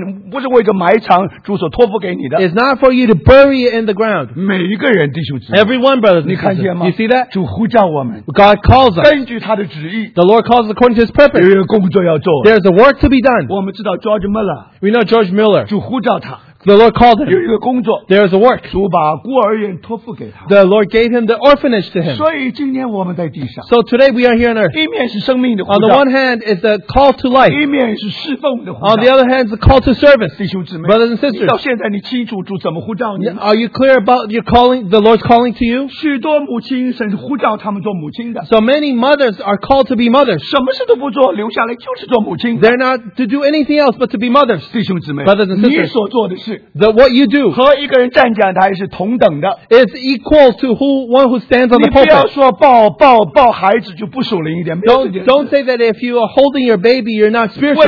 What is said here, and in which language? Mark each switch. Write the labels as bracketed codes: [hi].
[zh] 不是为着埋藏主所托付给你的。 [en] It's not for you to bury it in the ground. [zh] 每一个人弟兄姊妹。 [en] Everyone, brothers and sisters. [zh] 你看见吗？ [en] You see that? [zh] 主呼召我们。 [en] God calls us. [zh] 根据他的旨意。 [en] The Lord calls according to his purpose. [zh] 有一个工作要做。 [en] There's a work to be done. [zh] 我们知道 George Miller. [en] We know George Miller. [zh] 主呼召他。 [en] The Lord called him. [zh] 有一个工作。 [en] There is a work. [zh] 主把孤儿院托付给他。 [en] The Lord gave him the orphanage to him. [zh] 所以今天我们在地上。 [en] So today we are here on earth. [zh] 一面是生命的护照。 [en] On the one hand is the call to life. [zh] 一面是侍奉的护照。 [en] On the other hand is the call to service. [zh] 弟兄姊妹。 [en] Brothers and sisters. [zh] 到现在你清楚主怎么呼召你。 [en] Are you clear about your calling, the Lord's calling to you? [zh] 许多母亲甚至呼召他们做母亲的。 [en] So many mothers are called to be mothers. [zh] 什么事都不做留下来就是做母亲的。 [en] They're not to do anything else but to be mothers. [zh] 弟兄姊妹。 [en] Brothers and sisters. [zh] 你所做的事。 [en] The what you do [zh] 和一个人站讲台是同等的 [en] is equal to who one who stands on the pulpit. [zh] 你不要说抱孩子就不属灵一点。 [en] Don't say that if you are holding your baby, you're not spiritual.